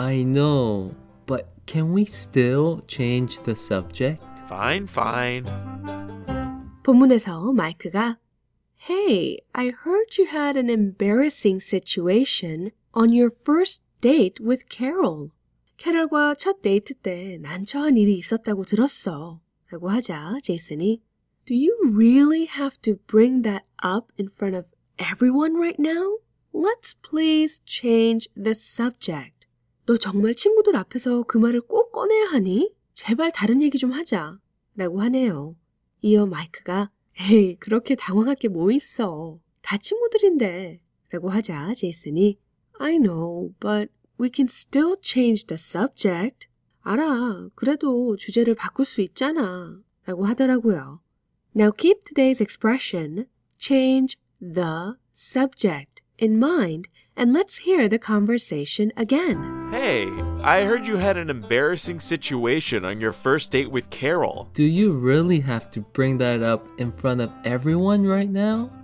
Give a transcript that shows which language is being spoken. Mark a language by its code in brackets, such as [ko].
[en] I know, but can we still change the subject? Fine. [ko] 본문에서 마이크가 [en] Hey, I heard you had an embarrassing situation on your first date with Carol. [ko] 캐럴과 첫 데이트 때 난처한 일이 있었다고 들었어. 라고 하자 제이슨이 [en] Do you really have to bring that up in front of everyone right now? Let's please change the subject. [ko] 너 정말 친구들 앞에서 그 말을 꼭 꺼내야 하니? 제발 다른 얘기 좀 하자. 라고 하네요. 이어 마이크가 에이 그렇게 당황할 게 뭐 있어. 다 친구들인데. 라고 하자 제이슨이 [en] I know, but we can still change the subject. [ko] 알아, 그래도 주제를 바꿀 수 있잖아. 라고 하더라고요. [en] Now keep today's expression, change the subject, in mind, and let's hear the conversation again. Hey, I heard you had an embarrassing situation on your first date with Carol. Do you really have to bring that up in front of everyone right now?